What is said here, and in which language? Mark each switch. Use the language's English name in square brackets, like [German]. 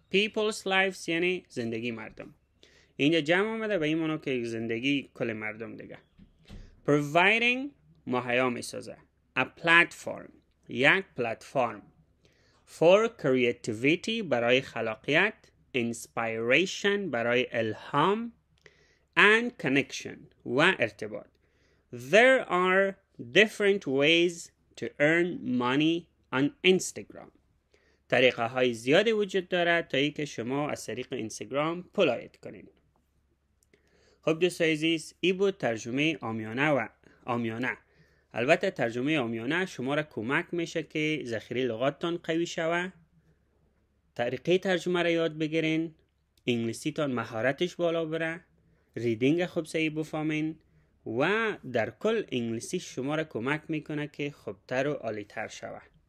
[English] People's lives [Persian] یعنی زندگی مردم. اینجا جمع آمده به این که زندگی کل مردم دیگه. [English] Providing [Persian] مهیا می سازه. [English] A platform. [Persian] یک platform. [English] For creativity [Persian] برای خلاقیت. [English] Inspiration [Persian] برای الهام. [English] And connection [Persian] و ارتباط. [English] There are different ways to earn money on Instagram. [Persian] طریقه های زیادی وجود داره تا ای که شما از طریق اینستاگرام پول عاید کنین. خب دوست عزیز، ای بود ترجمه عامیانه و عامیانه. البته ترجمه عامیانه شما را کمک میشه که ذخیره لغاتتان قوی شوه، طریقه ترجمه را یاد بگیرین، انگلیسیتان مهارتش بالا بره، ریدینگ خوب صحیح بفهمین و در کل انگلیسی شما را کمک میکنه که خوبتر و عالیتر شوه.